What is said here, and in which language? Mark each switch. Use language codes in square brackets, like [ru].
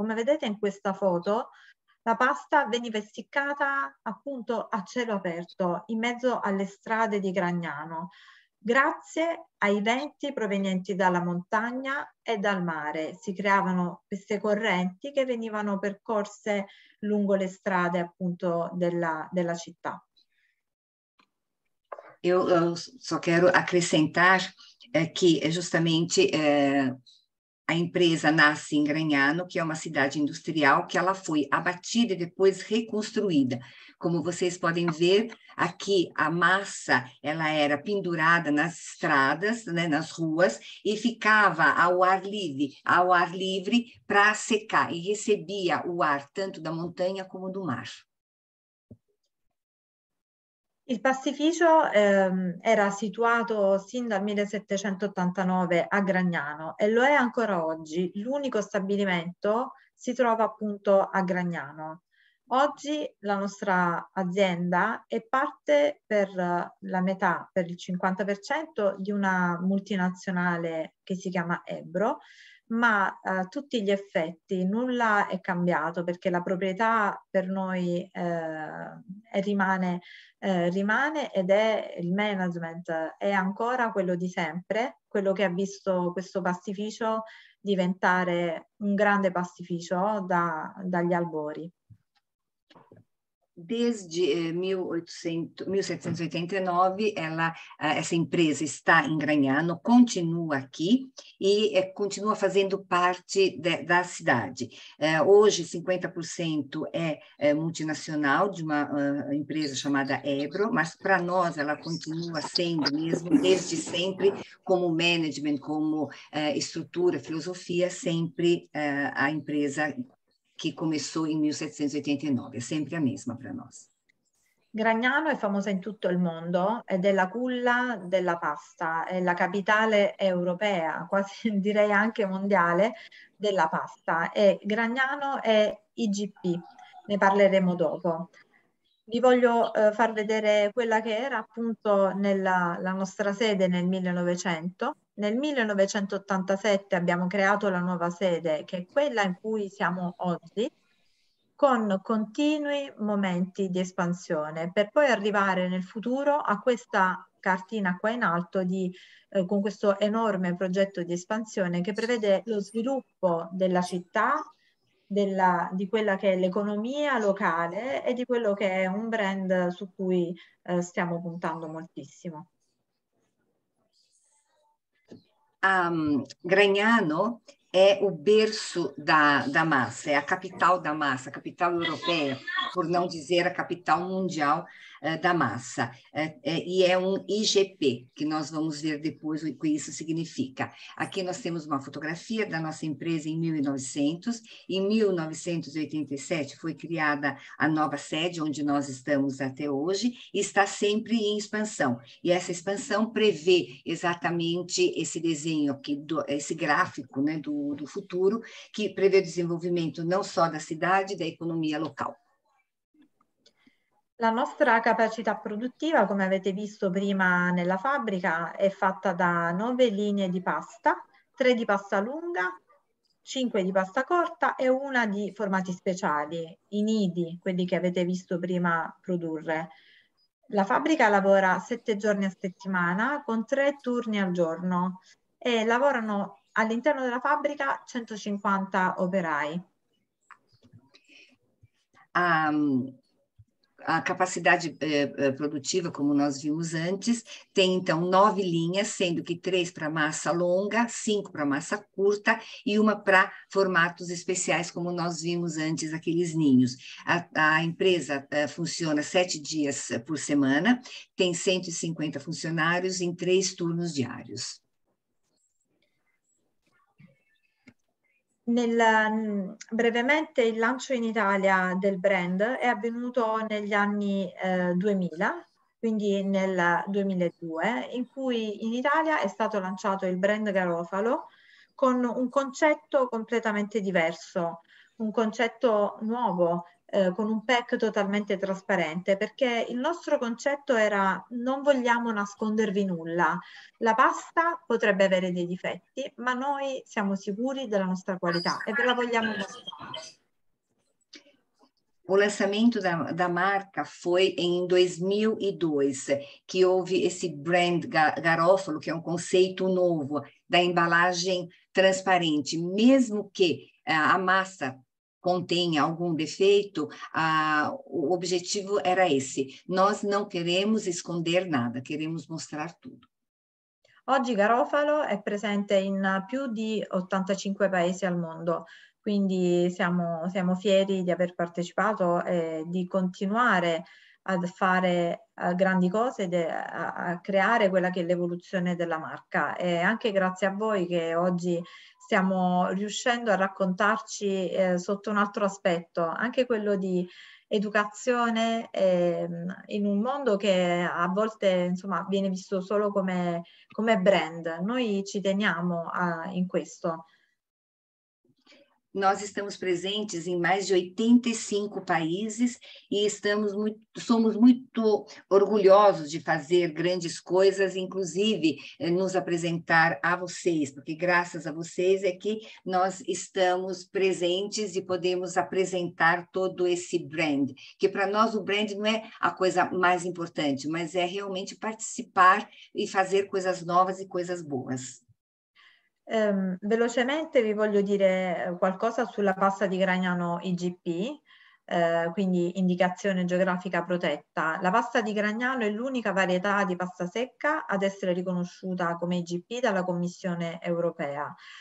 [it] Come vedete in questa foto, la pasta veniva essiccata appunto a cielo aperto, in mezzo alle strade di Gragnano, grazie ai venti provenienti dalla montagna e dal mare. Si creavano queste correnti che venivano percorse lungo le strade appunto della città. [pt] Eu só quero acrescentar que justamente a empresa nasce em Gragnano, que é uma cidade industrial, que ela foi abatida e depois reconstruída. Como vocês podem ver, aqui a massa ela era pendurada nas estradas, né, nas ruas, e ficava ao ar livre para secar e recebia o ar tanto da montanha como do mar. [it] Il pastificio era situato sin dal 1789 a Gragnano e lo è ancora oggi. L'unico stabilimento si trova appunto a Gragnano. Oggi la nostra azienda è parte per la metà, per il 50%, di una multinazionale che si chiama Ebro, ma a tutti gli effetti nulla è cambiato, perché la proprietà per noi rimane ed è il management, è ancora quello di sempre, quello che ha visto questo pastificio diventare un grande pastificio dagli albori. [pt] Desde 1789, essa empresa está em Gragnano, continua aqui e continua fazendo parte da cidade. Hoje, 50% é multinacional, de uma empresa chamada Ebro, mas para nós ela continua sendo mesmo, desde sempre, como management, como estrutura, filosofia, sempre a empresa [it] che cominciò nel 1789, è sempre la stessa per noi. Gragnano è famosa in tutto il mondo ed è la culla della pasta, è la capitale europea, quasi direi anche mondiale, della pasta. E Gragnano è IGP, ne parleremo dopo. Vi voglio far vedere quella che era appunto la nostra sede nel 1900. Nel 1987 abbiamo creato la nuova sede, che è quella in cui siamo oggi, con continui momenti di espansione, per poi arrivare nel futuro a questa cartina qua in alto con questo enorme progetto di espansione che prevede lo sviluppo della città, di quella che è l'economia locale e di quello che è un brand su cui stiamo puntando moltissimo. [pt] Gragnano è o berço da massa, è a capital da massa, a capital europea, por não dizer a capital mundial da massa. [it] E è un [pt] IGP, che nós vamos ver depois o que isso significa. Aqui nós temos uma fotografia da nossa empresa em 1900. Em 1987 foi criada a nova sede, onde nós estamos até hoje, e está sempre em expansão. E essa expansão prevê exatamente esse desenho aqui, esse gráfico, né, do futuro, que prevê o desenvolvimento não só da cidade, da economia local. [it] La nostra capacità produttiva, come avete visto prima nella fabbrica, è fatta da 9 linee di pasta, 3 di pasta lunga, 5 di pasta corta e una di formati speciali, i nidi, quelli che avete visto prima produrre. La fabbrica lavora 7 giorni a settimana con 3 turni al giorno e lavorano all'interno della fabbrica 150 operai. [pt] A capacidade produtiva, como nós vimos antes, tem então 9 linhas, sendo que 3 para massa longa, 5 para massa curta e uma para formatos especiais, como nós vimos antes, aqueles ninhos. A empresa funciona 7 dias por semana, tem 150 funcionários em 3 turnos diários. [it] Brevemente, il lancio in Italia del brand è avvenuto negli anni 2000, quindi nel 2002, in cui in Italia è stato lanciato il brand Garofalo con un concetto completamente diverso, un concetto nuovo, con un pack totalmente trasparente, perché il nostro concetto era: non vogliamo nascondervi nulla. La pasta potrebbe avere dei difetti, ma noi siamo sicuri della nostra qualità e ve la vogliamo mostrare. [pt] O lançamento da marca foi em 2002, que houve esse brand Garofalo, que é um conceito novo da embalagem transparente. Mesmo que a massa contenha algum defeito, o objetivo era esse. Nós não queremos esconder nada, queremos mostrar tudo. [it] Oggi Garofalo è presente in più di 85 paesi al mondo. Quindi siamo fieri di aver partecipato e di continuare a fare grandi cose, a creare quella che è l'evoluzione della marca. E anche grazie a voi che oggi stiamo riuscendo a raccontarci sotto un altro aspetto, anche quello di educazione in un mondo che a volte, insomma, viene visto solo come brand. Noi ci teniamo in questo. [pt] Nós estamos presentes em mais de 85 países e somos muito orgulhosos de fazer grandes coisas, inclusive nos apresentar a vocês, porque graças a vocês é que nós estamos presentes e podemos apresentar todo esse brand. Que para nós o brand não é a coisa mais importante, mas é realmente participar e fazer coisas novas e coisas boas. [it] Velocemente vi voglio dire qualcosa sulla pasta di Gragnano IGP, quindi indicazione geografica protetta. La pasta di Gragnano è l'unica varietà di pasta secca ad essere riconosciuta come IGP dalla Commissione europea.